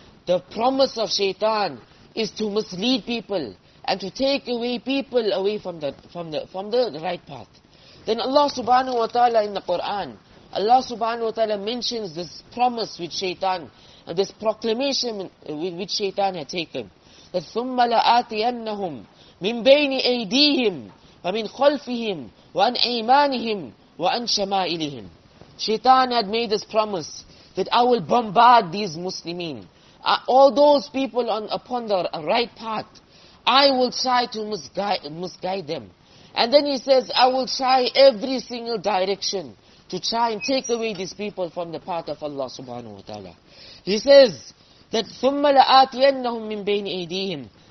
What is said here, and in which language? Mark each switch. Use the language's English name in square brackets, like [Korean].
[English] The promise of shaitan is to mislead people and to take away people away from the right path. Then Allah subhanahu wa ta'ala in the Quran, Allah subhanahu wa ta'ala mentions this promise which shaitan, this proclamation which shaitan had taken. that [Arabic] ثم لآتينهم من بين أيديهم ومن خلفهم وعن أيمانهم وعن شمائلهم. [English] Shaitan had made this promise that I will bombard these Muslimin, all those people upon the right path. I will try to misguide them. And then he says, I will try every single direction to try and take away these people from the path of Allah subhanahu wa ta'ala. He says that [Arabic] ثُمَّ لَآتِيَنَّهُمْ مِنْ بَيْنِ أَيْدِيهِمْ.